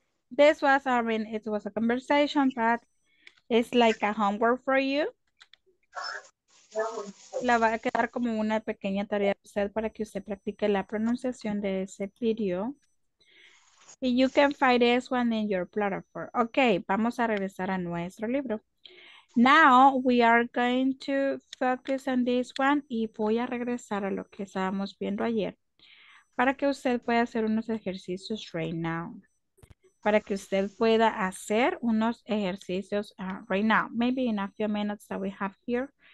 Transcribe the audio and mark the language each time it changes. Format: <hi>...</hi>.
<en>This was, I mean, it was a conversation, but it's like a homework for you.</en> <es>La va a quedar como una pequeña tarea para que usted practique la pronunciación de ese video.</es> <en>Y you can find this one in your platform.</en> <es>Okay, vamos a regresar a nuestro libro.</es> <en>Now we are going to focus on this one</en> <es>y voy a regresar a lo que estábamos viendo ayer para que usted pueda hacer unos ejercicios</es> <en>right now.</en> <es>Para que usted pueda hacer unos ejercicios</es> <en>right now. Maybe in a few minutes that we have here.</en>